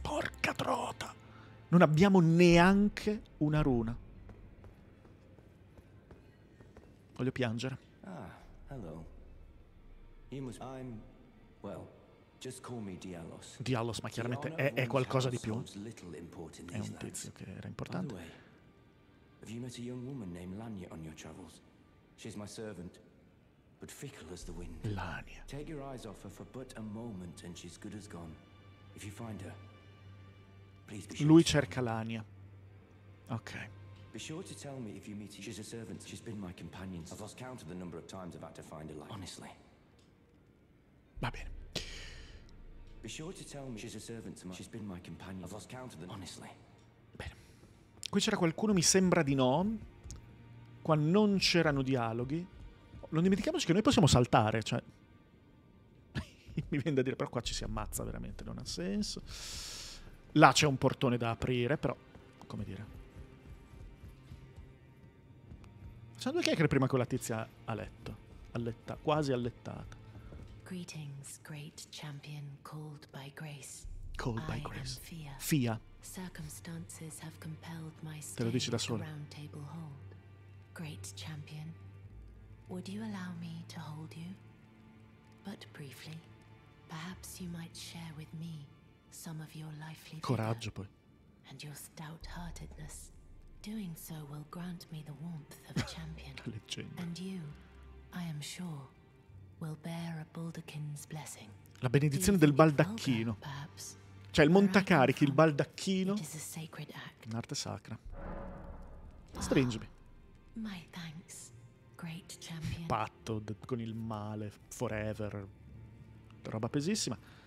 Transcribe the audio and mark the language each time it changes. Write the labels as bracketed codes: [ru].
[it] Porca trota! Non abbiamo neanche una runa. Voglio piangere. [en] Ah, hello. You must... I'm... Well, just call me Dialos. [it] Dialos, ma chiaramente è qualcosa di più. È un tizio che era importante. [en] By the way, have you met a young woman named Lanya on your travels? She's my servant. But fickle as the wind. Lanya. Take your eyes off her for but a moment and she's good as gone. If you find her, please be sure. [it] Lui cerca Lanya. Ok. [en] Be sure to tell me if you meet her. She's a servant. She's been my companion. I've lost count of the number of times I've had to find her. Honestly. [it] Va bene. [en] Be sure to tell me. She's a servant. She's been my companion. I've lost count of the. Honestly. [it] Bene. Qui c'era qualcuno, mi sembra di no. Qua non c'erano dialoghi. Non dimentichiamoci che noi possiamo saltare, cioè. Mi viene da dire, però qua ci si ammazza veramente, non ha senso. Là c'è un portone da aprire, però. Come dire. Facciamo due chiacchiere prima con la tizia a letto. Allettata, quasi allettata. [en] Greetings, great champion called by grace. Called by grace. Fia. Fia. Circumstances have compelled my stay. [it] Te lo dici da solo. [en] Round table hold. Great champion. Would you allow me to hold you? But briefly, perhaps you might share with me some of your lively [it] coraggio, poi. [en] And your stout-heartedness. Doing so will grant me the warmth of a champion. And you, I am sure, will bear a baldacchino's blessing. [it] La benedizione del baldacchino. [en] Perhaps. [it] Cioè il montacarichi, il baldacchino. [en] It is a sacred act. [it] Un'arte sacra. Stringimi. [en] Oh, my thanks. Great champion. [it] Patto con il male forever, roba pesissima.